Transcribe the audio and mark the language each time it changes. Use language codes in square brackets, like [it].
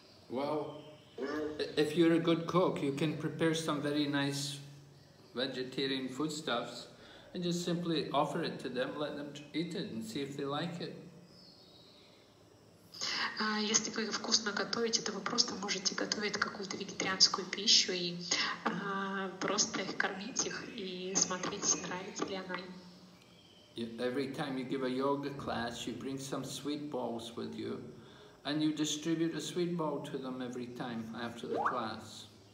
[en] Well, if you're a good cook, you can prepare some very nice vegetarian foodstuffs and just simply offer it to them, let them eat it and see if they like it. [ru] Если вы вкусно готовите, то вы просто можете готовить какую-то вегетарианскую пищу и просто их кормить их и посмотреть, нравится ли она им. [en] Every time you give a yoga class, you bring some sweet balls with you, and you distribute a sweet ball to them every time after the class.